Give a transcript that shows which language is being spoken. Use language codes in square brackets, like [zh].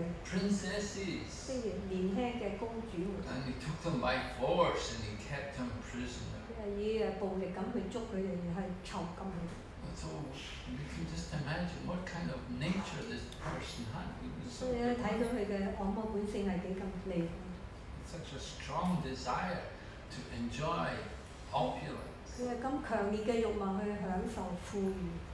[en] Princesses. And he took them by force and he kept them prisoner. [zh] 以暴力地去捉他們，然後囚禁他們。 [en] So you can just imagine what kind of nature this person had. [zh] 所以看到他的惡魔本性是多麼厲害。 [en] Such a strong desire to enjoy opulence. [zh] 他有這麼強烈的慾望去享受富裕。